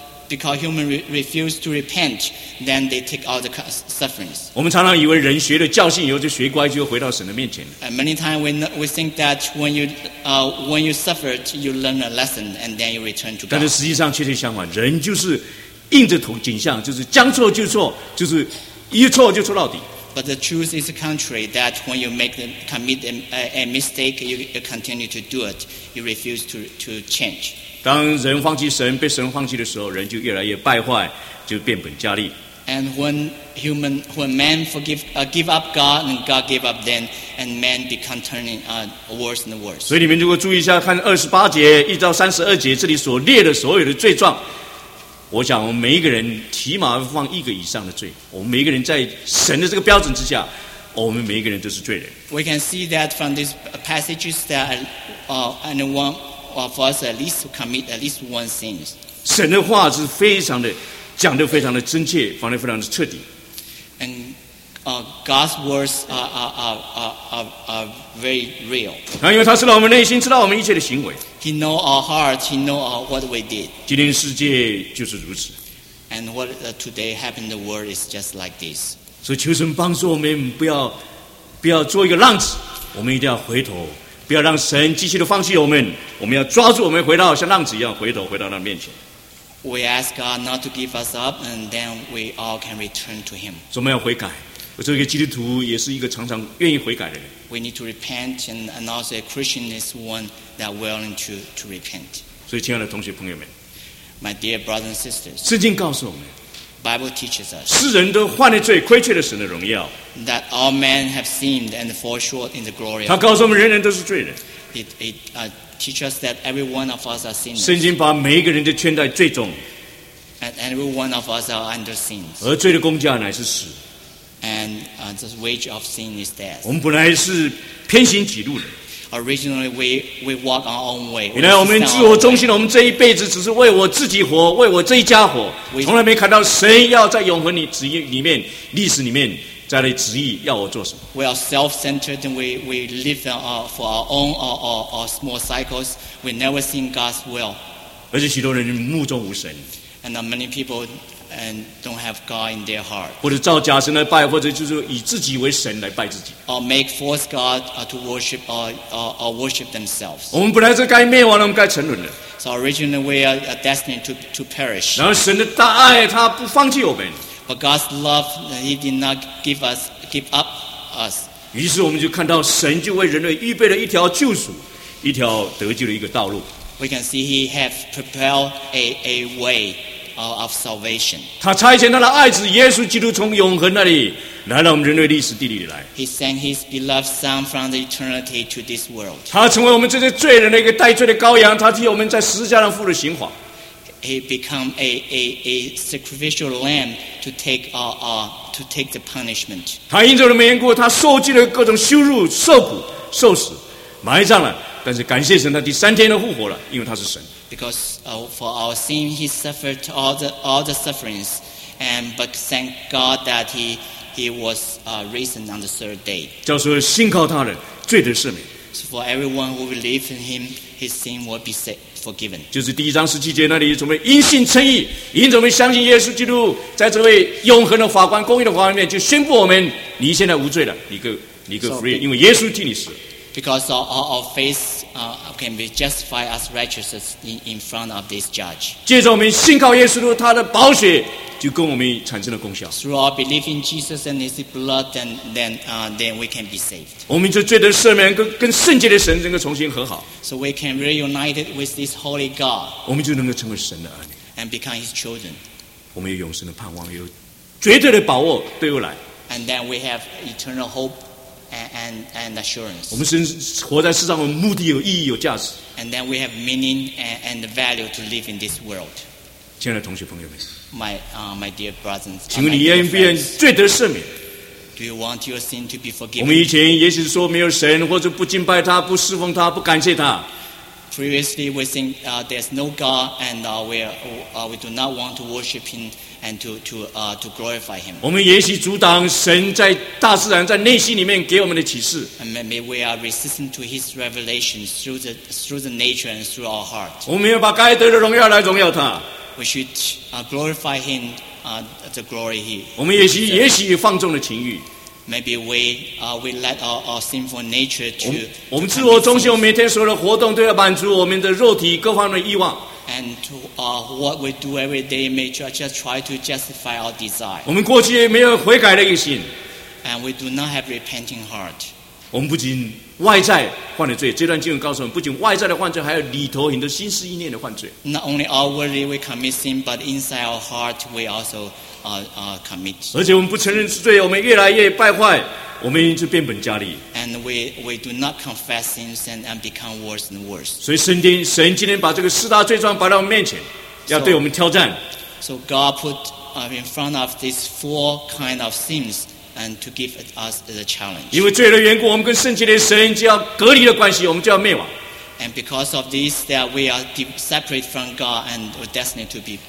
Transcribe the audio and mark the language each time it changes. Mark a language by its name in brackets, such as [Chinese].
[English] Because human refuse to repent, then they take all the sufferings. [Chinese] 我们常常以为人学了教训以后就学乖，就回到神的面前。 [English] And many times we think that when you suffered, you learn a lesson and then you return to God. [Chinese] 但是实际上确实相反，人就是。硬着头颈项，就是将错就错，就是一错就错到底。 [English] But the truth is the contrary, that when you commit a mistake, you continue to do it, you refuse to change. [Chinese] 当人放弃神，被神放弃的时候，人就越来越败坏，就变本加厉。 [English] And when man give up God, and God give up then, and man become turning worse and worse. [Chinese] 所以你们如果注意一下，看二十八节一到三十二节这里所列的所有的罪状，我想我们每一个人起码放一个以上的罪。我们每一个人在神的这个标准之下，我们每一个人都是罪人。 [English] We can see that from these passages that anyone of us at least commit at least one sin. [Chinese] 神的话是非常的。讲得非常的真切，讲得非常的彻底。 [English] And God's words are very real. [Chinese] 因为他知道我们内心，知道我们一切的行为。 [English] He know our heart. He know what we did. [Chinese] 今天世界就是如此。 [English] And what today happened in the world is just like this. [Chinese] 所以求神帮助我们，不要做一个浪子，我们一定要回头，不要让神继续的放弃我们，我们要抓住我们回到像浪子一样回头，回到他面前。 [English] We ask God not to give us up, and then we all can return to Him. [Chinese] 我们要悔改。我作为一个基督徒，也是一个常常愿意悔改的人。 [English] We need to repent, and also a Christian is one that willing to repent. [Chinese] 所以，亲爱的同学朋友们 [English] ，My dear brothers and sisters, [Chinese] 圣经告诉我们 [English] ，Bible teaches us, [Chinese] 世人都犯了罪，亏缺了神的荣耀。 [English] That all men have sinned and fall short in the glory. [Chinese] 他告诉我们，人人都是罪人。 [English] Teach us that every one of us are sinners. [Chinese] 圣经把每一个人都圈在罪中。 [English] And every one of us are under sins. [Chinese] 而罪的工价乃是死。 [English] And the wage of sin is death. [Chinese] 我们本来是偏行己路的。 [English] Originally we walk our own way. [Chinese] 原来我们自我中心，我们这一辈子只是为我自己活，为我这一家活，从来没看到神要在永恒的旨意里面、历史里面。在那旨意要我做什么 [English] We are self-centered and we live for our own our small cycles. We never seen God's will. [Chinese] 而且许多人目中无神 [English] And many people and don't have God in their heart. [Chinese] 或者造假神来拜或者就是以自己为神来拜自己 [English] Or make false God to worship or worship themselves. [Chinese] 我们本来是该灭亡的我们该沉沦的 [English] So originally we are destined to perish. [Chinese] 然后神的大爱他不放弃我们 [English] For God's love, He did not give up us. [Chinese] 于是我们就看到神就为人类预备了一条救赎，一条得救的一个道路。 [English] We can see He have prepared a way of salvation. [Chinese] 他差遣他的爱子耶稣基督从永恒那里来到我们人类历史地里来。 [English] He sent His beloved Son from the eternity to this world. [Chinese] 他成为我们这些罪人的一个代罪的羔羊，他替我们在十字架上付了刑罚。 [English] He become a sacrificial lamb to take the punishment. [Chinese] 他因着我们缘故，他受尽了各种羞辱、受苦、受死、埋葬了。但是感谢神，他第三天的复活了，因为他是神。 [English] Because for our sin, he suffered all the sufferings, and but thank God that he was risen on the third day. [Chinese] 叫做信靠他的罪得赦免。 [English] So for everyone who believes in him, his sin will be saved. Forgiven. [Chinese] 就是第一章十七节那里，我们因信称义，因我们相信耶稣基督，在这位永恒的法官、公义的法官面就宣布我们，你现在无罪了，你个 free， 因为耶稣替你死。 [English] Because our faith can be justified as righteous in front of this judge. [Chinese] 借着我们信靠耶稣的他的宝血，就跟我们产生了功效。 [English] Through our belief in Jesus and His blood, then we can be saved. [Chinese] 我们就罪得赦免，跟圣洁的神能够重新和好。 [English] So we can reunite with this holy God. [Chinese] 我们就能够成为神的儿女。 [English] And become His children. [Chinese] 我们有永生的盼望，有绝对的把握对未来。 [English] And then we have eternal hope. And assurance. [Chinese] 我们生活在世上，我们目的有意义，有价值。 [English] And then we have meaning and value to live in this world. [Chinese] 亲爱的同学朋友们 [English] my dear brothers, [Chinese] 请问你愿不愿意罪得赦免 [English] ？Do you want your sin to be forgiven? [Chinese] 我们以前也许说没有神，或者不敬拜他，不侍奉他，不感谢他。 [English] Previously, we think there's no God, and we do not want to worship Him and to glorify Him. [Chinese] 我们也许阻挡神在大自然、在内心里面给我们的启示。 [English] And maybe we are resistant to His revelation through the nature and through our heart. [Chinese] 我们要把该得的荣耀来荣耀他。 [English] We should glorify Him the glory He. [Chinese] 我们也许放纵了情欲。 [English] Maybe we let our sinful nature to. [Chinese] 我们自我中心，我们每天所有的活动都要满足我们的肉体各方面的欲望。 [English] And to what we do every day may just try to justify our desire. [Chinese] 我们过去没有悔改的一个心。 [English] And we do not have repenting heart. [Chinese] 我们不仅外在犯了罪，这段经文告诉我们，不仅外在的犯罪，还有里头很多心思意念的犯罪。 [English] Not only outwardly we commit sin, but inside our heart we also commit. [Chinese] 而且我们不承认是罪，我们越来越败坏，我们就变本加厉。 [English] And we do not confess sins and become worse and worse. [Chinese] 所以神今天把这个四大罪状摆到我们面前，要对我们挑战。 [English] So God put in front of these four kind of sins. And to give us the challenge. [Chinese] 因为罪的缘故，我们跟圣洁的神就要隔离的关系，我们就要灭亡。 [English] And because of this, that we are separate from God and we're destined to be.